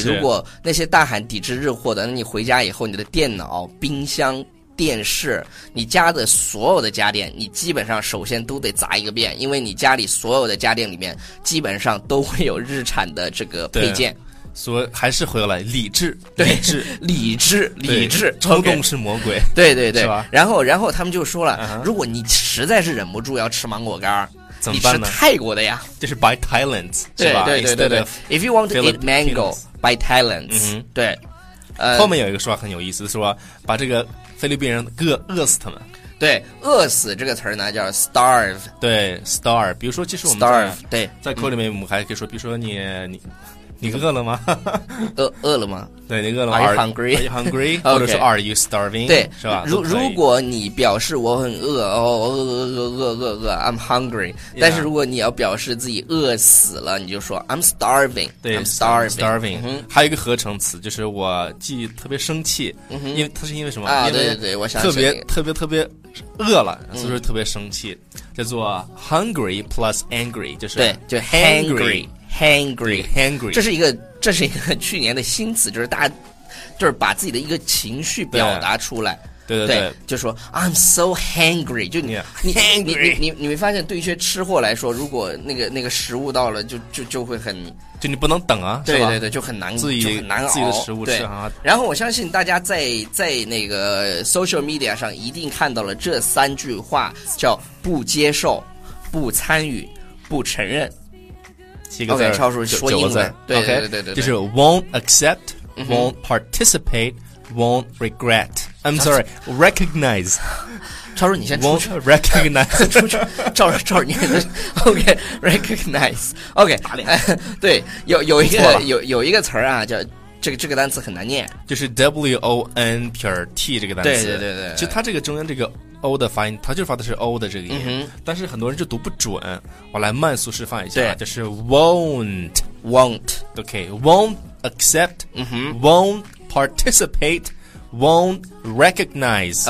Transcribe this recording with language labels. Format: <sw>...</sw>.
<zh>如果那些大喊抵制日货的，那你回家以后，你的电脑、冰箱、电视，你家的所有的家电，你基本上首先都得砸一个遍，因为你家里所有的家电里面基本上都会有日产的这个配件。所以还是回来理智，对，理智，冲动是魔鬼。对对对，是吧？然后他们就说了，如果你实在是忍不住要吃芒果干，怎么办呢？你吃泰国的呀，就是</zh> <en>by Thailand</en> <zh>是吧？对</zh> <en>If you want to eat mango by Thailand、</en> <zh>嗯、对、后面有一个说法很有意思，说把这个菲律宾人饿死他们。对，饿死这个词呢叫 starve。对 starve， 比如说其实我们</zh> <en>starve， 对，</en> <zh>在口里面我们还可以说、嗯、比如说你饿了吗？饿了吗？对，你饿了吗？</zh> <en>Are you hungry?</en> <zh>或者是</zh> <en>Are you starving?</en> <zh>对，是吧？如果你表示我很饿，饿</zh> <en>I'm hungry、 yeah.</en> <zh>但是如果你要表示自己饿死了，你就说</zh> <en>I'm starving。</en> <zh>对，</zh> <en>I'm starving, I'm starving、</en> <zh>嗯、还有一个合成词，就是我既特别生气、嗯、因为它是因为什么、啊、因为对我想特别特别特别饿了，所以说特别生气、嗯、叫做 hungry plus angry， 就是对，就 hangryHangry,</zh> <en>hangry，</en> <zh>这是一个去年的新词，就是大家就是把自己的一个情绪表达出来。对对对， 对，就说</zh> <en>I'm so hangry，</en> <zh>就 你没发现，对一些吃货来说，如果那个食物到了，就会很，就你不能等啊，是吧？对对对，就很难，自己的食物吃啊。然后我相信大家在那个 social media 上一定看到了这三句话，叫不接受、不参与、不承认。 OK， 超叔说英文，对对对对，</zh> <en>就是 won't accept, won't participate, won't regret. I'm sorry, recognize.</en> <zh>超叔，你先出去。</zh> <en>Won't recognize，</en> <zh>出去。赵，你 OK， recognize， OK，打脸。对，有一个词啊，叫这个单词很难念，就是 W O N 撇 T 这个单词。对对对对，就它这个中间这个。 O 的发音，它就发的是 O 的这个音、嗯，但是很多人就读不准。我来慢速示范一下，就是 won't， OK，</zh> <en>won't accept，、</en> <zh>嗯、</zh> <en>won't participate， won't recognize，</en>